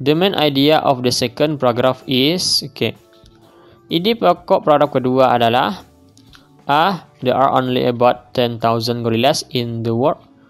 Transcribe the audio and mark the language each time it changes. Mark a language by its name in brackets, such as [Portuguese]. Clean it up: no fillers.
[English] The main idea of the second paragraph is, oke. Okay. [Indonesian] Ide pokok paragraf kedua adalah A. [English] There are only about 10,000 gorillas in the world.